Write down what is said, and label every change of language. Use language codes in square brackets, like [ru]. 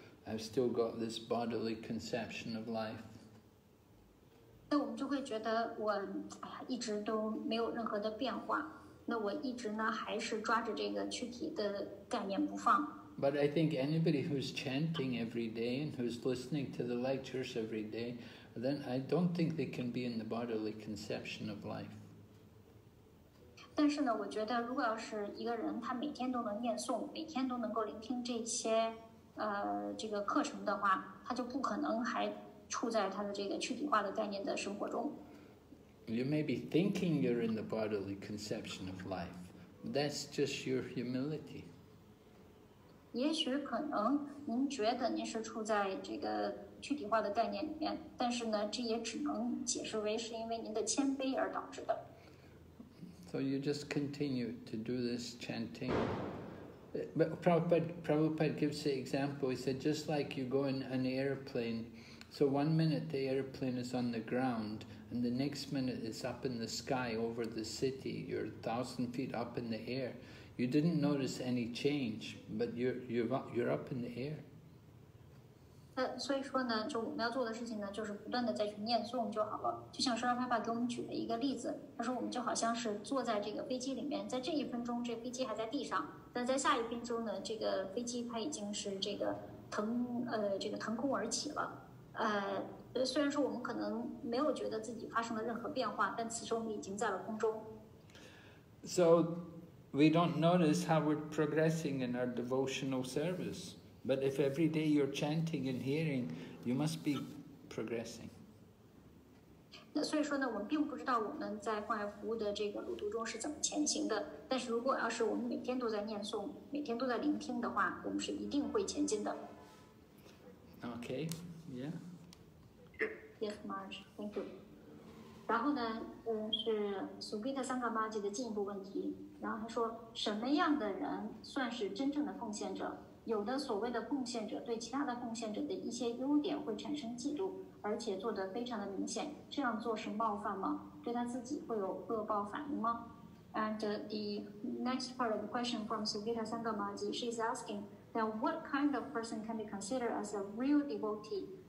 [en] I've still got this bodily conception of life. [zh] 那我们就会觉得我一直都没有任何的变化，那我一直呢还是抓着这个躯体的概念不放。 [en] But I think anybody who's chanting every day and who's listening to the lectures every day, then I don't think they can be in the bodily conception of life. [zh] 但是呢，我觉得如果要是一个人他每天都能念诵，每天都能够聆听这些这个课程的话，他就不可能还。处在他的这个躯体化的概念的生活中。 [en] You may be thinking you're in the bodily conception of life. That's just your humility. [zh] 也许可能您觉得您是处在这个躯体化的概念里面，但是呢，这也只能解释为是因为您的谦卑而导致的。 [en] So you just continue to do this chanting. But Prabhupada gives the example. He said, just like you go in an airplane. So one minute the airplane is on the ground, and the next minute it's up in the sky over the city. You're 1,000 feet up in the air. You didn't notice any change, but you're up in the air. [zh] 所以说呢，就我们要做的事情呢，就是不断的再去念诵就好了。就像释迦牟尼佛给我们举了一个例子，他说我们就好像是坐在这个飞机里面，在这一分钟这飞机还在地上，但在下一分钟呢，这个飞机它已经是这个腾空而起了。虽然说我们可能没有觉得自己发生了任何变化，但此时我们已经在了空中。 [en] So we don't notice how we're progressing in our devotional service, but if every day you're chanting and hearing, you must be progressing. [zh] 那所以说呢，我们并不知道我们在奉爱服务的这个路途中是怎么前行的。但是如果要是我们每天都在念诵，每天都在聆听的话，我们是一定会前进的。 [en] Okay. Yeah. Yes, Marge. Thank you. [zh] 然后呢，是苏比特桑卡玛吉的进一步问题。然后他说，什么样的人算是真正的奉献者？有的所谓的贡献者对其他的贡献者的一些优点会产生嫉妒，而且做得非常的明显，这样做是冒犯吗？对他自己会有恶报反应吗？ [en] And the next part of the question from Sugita Sangamaji, she is asking that what kind of person can be considered as a real devotee?